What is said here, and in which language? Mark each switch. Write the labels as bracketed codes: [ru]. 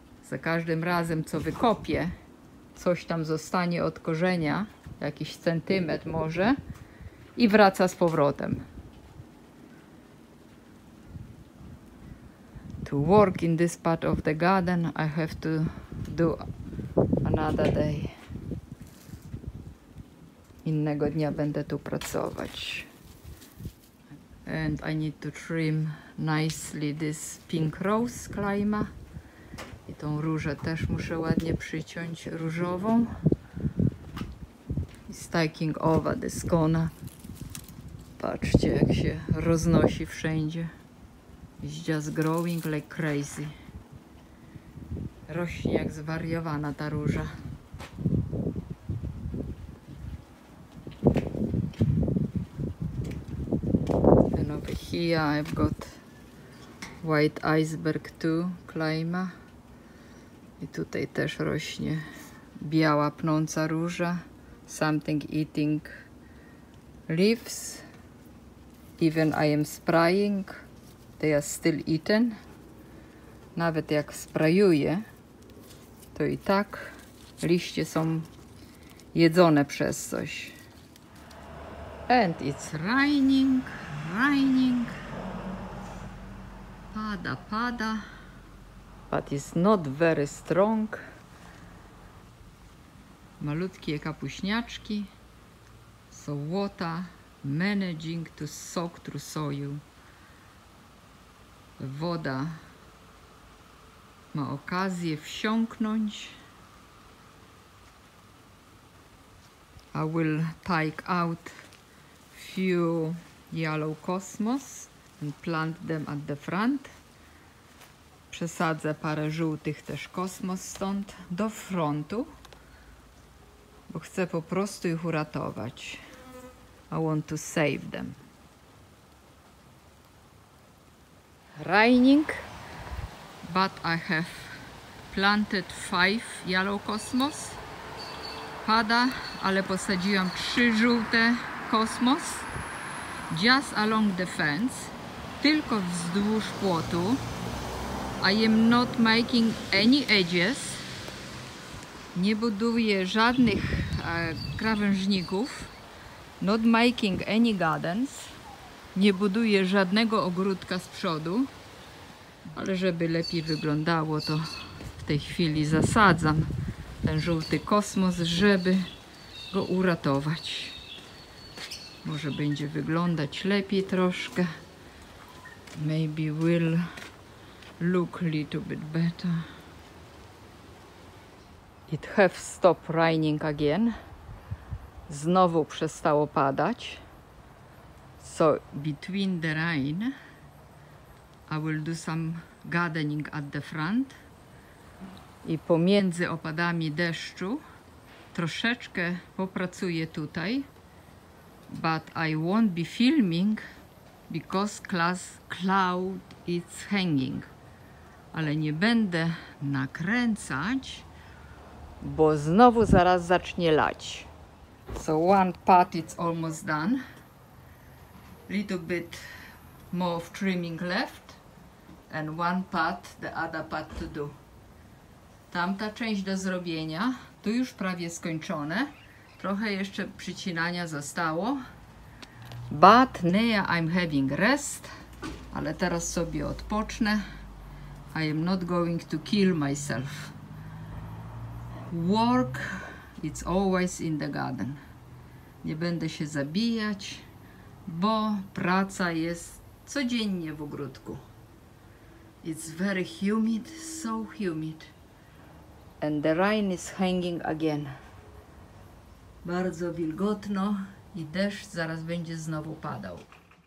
[pl] Za każdym razem, co wykopię, coś tam zostanie od korzenia, jakiś centymetr może, i wraca z powrotem. [en] To work in this part of the garden, I have to do another day. [pl] Innego dnia będę tu pracować. [en] And I need to trim nicely this pink rose clima. [pl] I tą różę też muszę ładnie przyciąć różową. [en] Staking over this corner. [pl] Patrzcie, jak się roznosi wszędzie. [en] It's just growing like crazy. [pl] Rośnie jak zwariowana ta róża. [en] And over here I've got white iceberg too, clima. [pl] I tutaj też rośnie biała pnąca róża. [en] Something eating leaves. Even I am spraying, they are still eaten. [pl] Nawet jak sprayuję, to i tak liście są jedzone przez coś. [en] And it's raining, raining. [pl] Pada, pada. [en] But it's not very strong. [pl] Malutkie kapuśniaczki. [en] So water managing to soak through soil. [pl] Woda ma okazję wsiąknąć. [en] I will take out few yellow cosmos and plant them at the front. [pl] Przesadzę parę żółtych też kosmos stąd do frontu, bo chcę po prostu ich uratować. [en] I want to save them. Raining, but I have planted 5 yellow cosmos. [pl] Pada, ale posadziłam 3 żółte kosmos. [en] Just along the fence, [pl] tylko wzdłuż płotu. [en] I am not making any edges. [pl] Nie buduję żadnych krawężników. [en] Not making any gardens. [pl] Nie buduję żadnego ogródka z przodu. Ale żeby lepiej wyglądało, to w tej chwili zasadzam ten żółty kosmos, żeby go uratować. Może będzie wyglądać lepiej troszkę. [en] Maybe will look a little bit better. It have stopped raining again. [pl] Znowu przestało padać. [en] So between the rain I will do some gardening at the front. [pl] I pomiędzy opadami deszczu troszeczkę popracuję tutaj. [en] But I won't be filming because cloud is hanging. [pl] Ale nie będę nakręcać, bo znowu zaraz zacznie lać. [en] So one part is almost done. Little bit more of trimming left. And one part, the other part to do. [pl] Tamta część do zrobienia, tu już prawie skończone. Trochę jeszcze przycinania zostało. [en] But now I'm having rest. [pl] Ale teraz sobie odpocznę. [en] I am not going to kill myself. Work, it's always in the garden. [pl] Nie będę się zabijać, bo praca jest codziennie w ogródku. [en] It's very humid, so humid. And the rain is hanging again. [pl] Bardzo wilgotno i deszcz zaraz będzie znowu padał.